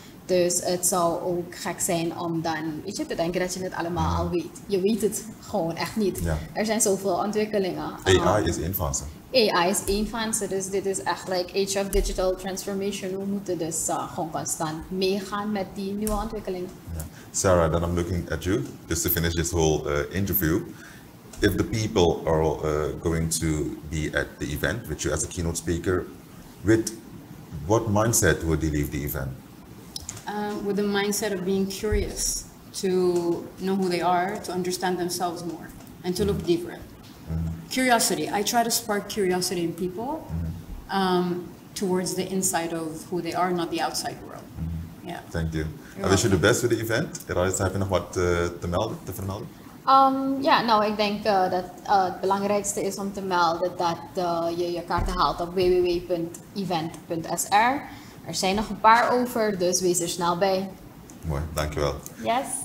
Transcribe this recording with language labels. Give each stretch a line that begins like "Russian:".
Dutch: Dus het zou ook gek zijn om dan weet je, te denken dat je het allemaal al weet. Je weet het gewoon echt niet. Ja. Er zijn zoveel ontwikkelingen. AI is één van ze. AI is één van ze, dus dit is echt
English: like age of digital transformation.
Dutch: We moeten dus gewoon constant meegaan met die nieuwe ontwikkeling. Ja.
English: Sara, then I'm looking at you, just to finish this whole interview. If the people are going to be at the event with you as a keynote speaker, with what mindset would they leave the event? With the mindset of being curious to know who they are, to understand themselves more, and to look deeper. Curiosity. I try to spark curiosity in people towards the inside of who they are, not the outside world. Yeah. Thank you. I wish you the best with the event.
Dutch: Raisa, heb je nog wat te vermelden? Ik denk dat het belangrijkste is om te melden dat je je kaarten haalt op www.event.sr. Er zijn nog een paar over, dus wees er snel bij. Mooi, dankjewel.
English: Yes.